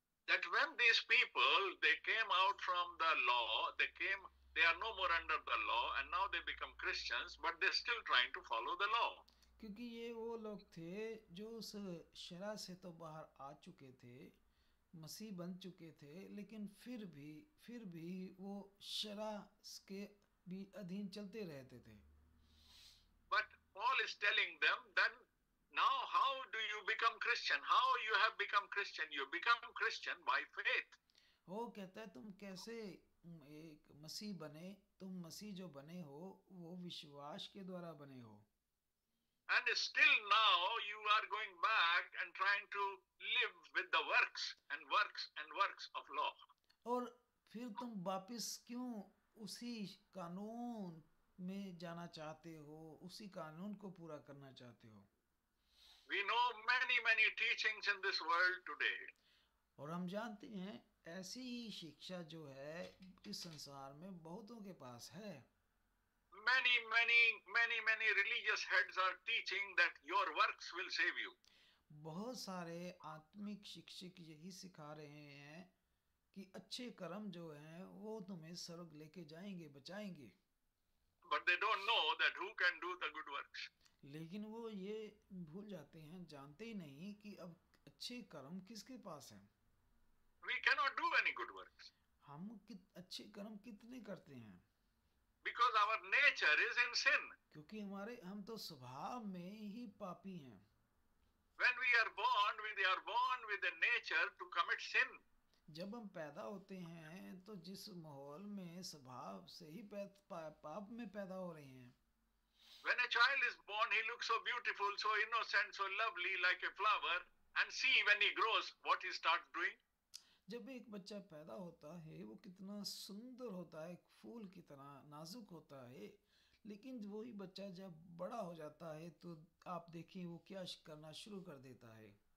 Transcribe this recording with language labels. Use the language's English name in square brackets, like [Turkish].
[English] That when these people they came out from the law, they are no more under the law and now they become Christians, but they're still trying to follow the law. [Hindi] क्योंकि ये वो लोग थे जो उस शरा से तो बाहर आ चुके थे, मसीह बन चुके थे, लेकिन फिर भी वो शरा के भी अधीन चलते रहते थे. [English] But Paul is telling them, then now how do you become Christian? How you have become Christian? You become Christian by faith. [Hindi] वो कहता है तुम कैसे एक मसीह बने, तुम मसीह जो बने हो वो विश्वास के द्वारा बने हो. [English] And still now you are going back and trying to live with the works and works and works of law. [Hindi] और फिर तुम वापस क्यों उसी कानून में जाना चाहते हो, उसी कानून को पूरा करना चाहते हो? [English] We know many many teachings in this world today. [Hindi] और हम जानते हैं ऐसी ही शिक्षा जो है इस संसार में बहुतों के पास है. [English] Many many many many religious heads are teaching that your works will save you. [Hindi] बहुत सारे आत्मिक शिक्षक यही सिखा रहे हैं कि अच्छे कर्म जो हैं वो तुम्हें स्वर्ग लेके जाएंगे, बचाएंगे. [English] But they don't know that who can do the good works. [Hindi] लेकिन वो ये भूल जाते हैं, जानते ही नहीं कि अब अच्छे कर्म किसके पास हैं. [English] We cannot do any good works. [Hindi] हम अच्छे कर्म कितने करते हैं? [English] Because our nature is in sin. [Hindi] क्योंकि हमारे हम तो स्वभाव में ही पापी हैं. [English] When we are born with a nature to commit sin. [Hindi] जब हम पैदा होते हैं तो जिस माहौल में स्वभाव से ही पाप में पैदा हो रहे हैं. [English] When a child is born, he looks so beautiful, so innocent, so lovely, like a flower, and see when he grows, what he starts doing. [Hindi] जब एक बच्चा पैदा होता है वो कितना सुंदर होता है, एक फूल की तरह नाजुक होता है, लेकिन वही बच्चा जब बड़ा हो जाता है तो आप देखिए वो क्या करना शुरू कर देता है.